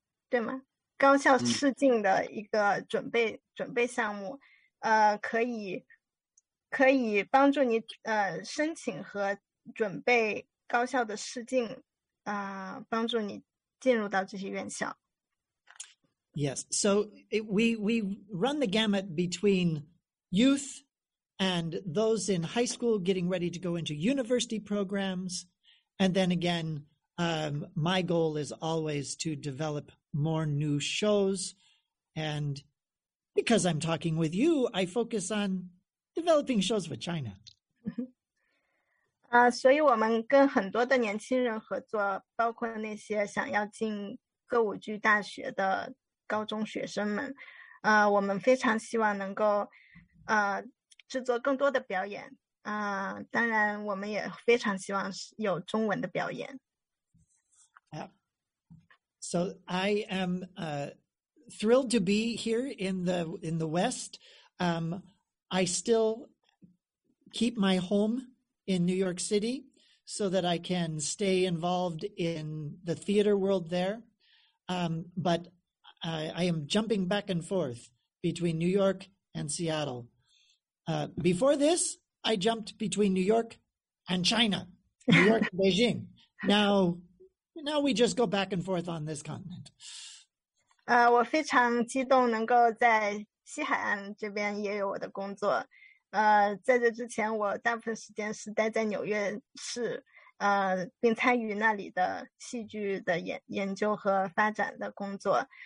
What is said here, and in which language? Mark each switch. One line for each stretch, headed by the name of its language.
Chinese: 对吗，高校试镜的一个准备项目，可以帮助你申请和准备高校的试镜，帮助你进入到这些院校。
English: Yes, so we run the gamut between youth and those in high school getting ready to go into university programs. And then again, my goal is always to develop more new shows. And because I'm talking with you, I focus on developing shows with China.
Chinese: 所以我们跟很多的年轻人合作，包括那些想要进歌舞剧大学的高中学生们，我们非常希望能够制作更多的表演，当然我们也非常希望有中文的表演。
English: So I am thrilled to be here in the West. I still keep my home in New York City so that I can stay involved in the theater world there. But I am jumping back and forth between New York and Seattle. Before this, I jumped between New York and China, New York and Beijing. Now we just go back and forth on this continent.
Chinese: 我非常激动能够在西海岸这边也有我的工作。在这之前我大部分时间是待在纽约市，并参与那里的戏剧的研究和发展的工作。